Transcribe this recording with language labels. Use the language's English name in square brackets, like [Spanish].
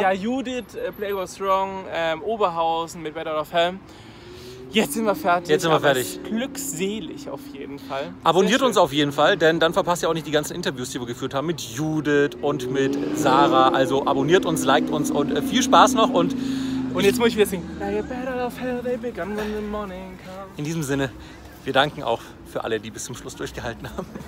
[German] Ja, Judith, Play Go Strong, Oberhausen mit Bed Out of Hell. Jetzt sind wir fertig. Jetzt sind wir fertig. Glückselig auf jeden Fall. Abonniert uns auf jeden Fall, denn dann verpasst ihr auch nicht die ganzen Interviews, die wir geführt haben mit Judith und mit Sarah. Also abonniert uns, liked uns und viel Spaß noch. Und jetzt muss ich wieder singen. [English] Like a bed out of hell, they begun when the morning comes. [German] In diesem Sinne, wir danken auch für alle, die bis zum Schluss durchgehalten haben.